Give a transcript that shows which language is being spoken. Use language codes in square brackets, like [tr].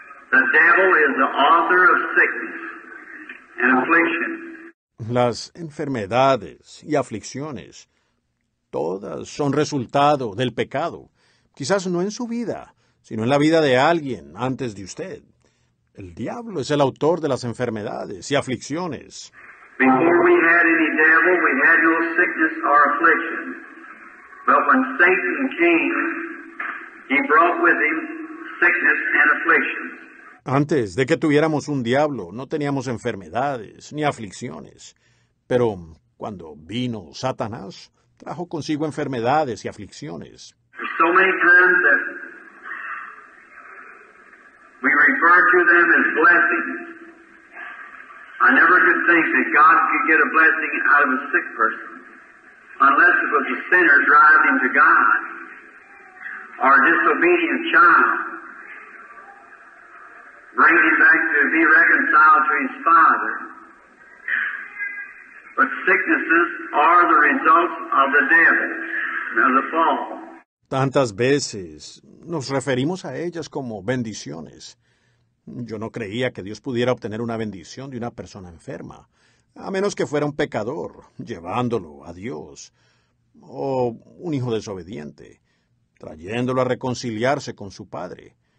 [en] The devil is the author of sickness and affliction. [es] Las enfermedades y aflicciones, todas son resultado del pecado. Quizás no en su vida, sino en la vida de alguien antes de usted. El diablo es el autor de las enfermedades y aflicciones. [en] Before we had any devil, we had no sickness or affliction. But when Satan came, he brought with him sickness and affliction. [es] Antes de que tuviéramos un diablo, no teníamos enfermedades ni aflicciones. Pero cuando vino Satanás, trajo consigo enfermedades y aflicciones. [en] So many times that we refer to them as blessings. I never could think that God could get a blessing out of a sick person unless it was a sinner driving to God or a disobedient child. Bring him back to be reconciled to his father. But sicknesses are the results of the devil and of the fall. [es] Tantas veces nos referimos a ellas como bendiciones. Yo no creía que Dios pudiera obtener una bendición de una persona enferma, a menos que fuera un pecador, llevándolo a Dios, o un hijo desobediente, trayéndolo a reconciliarse con su padre.